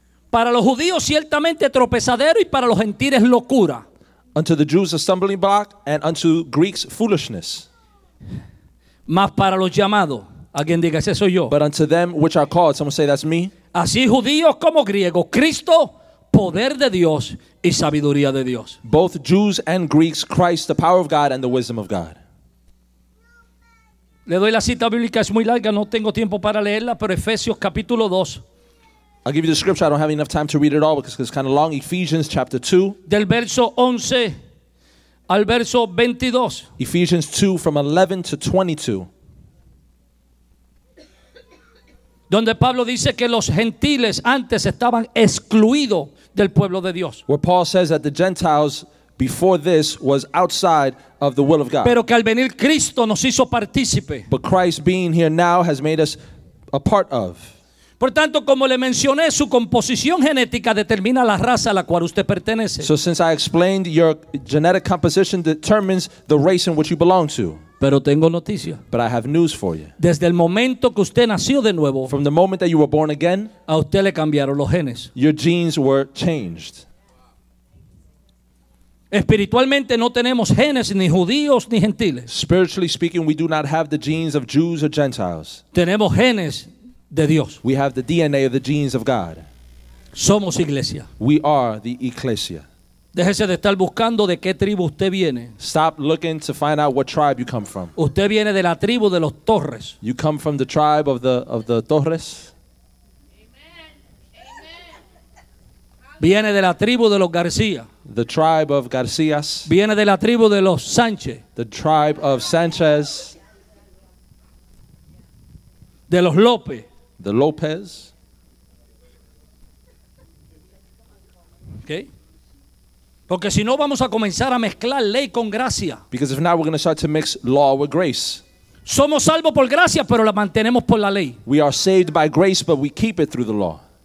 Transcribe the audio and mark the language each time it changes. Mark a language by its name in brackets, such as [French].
[Spanish] Para los judíos ciertamente tropezadero y para los gentiles locura. [English] Unto the Jews a stumbling block, and unto Greeks foolishness. [Spanish] Mas para los llamados, alguien diga, ese soy yo. [English] But unto them which are called, someone say that's me. [Spanish] Así judíos como griegos, Cristo, poder de Dios y sabiduría de Dios. [English] Both Jews and Greeks, Christ, the power of God and the wisdom of God. [Spanish] Le doy la cita bíblica, es muy larga, no tengo tiempo para leerla, pero Efesios capítulo 2. [English] I'll give you the scripture. I don't have enough time to read it all because it's kind of long. Ephesians chapter 2. [Spanish] Del verso 11 al verso 22. [English] Ephesians 2 from 11 to 22. [Spanish] Donde Pablo dice que los gentiles antes estaban excluidos del pueblo de Dios. [English] Where Paul says that the Gentiles before this was outside of the will of God. [Spanish] Pero que al venir Cristo nos hizo partícipe. [English] But Christ being here now has made us a part of. [Spanish] Por tanto, como le mencioné, su composición genética determina la raza a la cual usted pertenece. [English] So since I explained, your genetic composition determines the race in which you belong to. [Spanish] Pero tengo noticia. [English] But I have news for you. [Spanish] Desde el momento que usted nació de nuevo, [English] from the moment that you were born again, [Spanish] a usted le cambiaron los genes. [English] Your genes were changed. [Spanish] Espiritualmente no tenemos genes ni judíos ni gentiles. [English] Spiritually speaking, we do not have the genes of Jews or Gentiles. [Spanish] Tenemos genes de Dios. [English] We have the DNA of the genes of God. [Spanish] Somos iglesia. [English] We are the ecclesia. [Spanish] Déjese de estar buscando de qué tribu usted viene. [English] Stop looking to find out what tribe you come from. [Spanish] Usted viene de la tribu de los Torres. [English] You come from the tribe of the Torres. [Spanish] Viene de la tribu de los García. [English] The tribe of Garcias. [Spanish] Viene de la tribu de los Sánchez. [English] The tribe of Sanchez. [Spanish] De los López. [English] The Lopez. Okay. [Spanish] Porque si no vamos a comenzar a mezclar ley con gracia. [English] Because if not we're going to start to mix law with grace. [Spanish] Somos salvos por gracia, pero la mantenemos por la ley. [English] We are saved by grace, but we keep it through the law.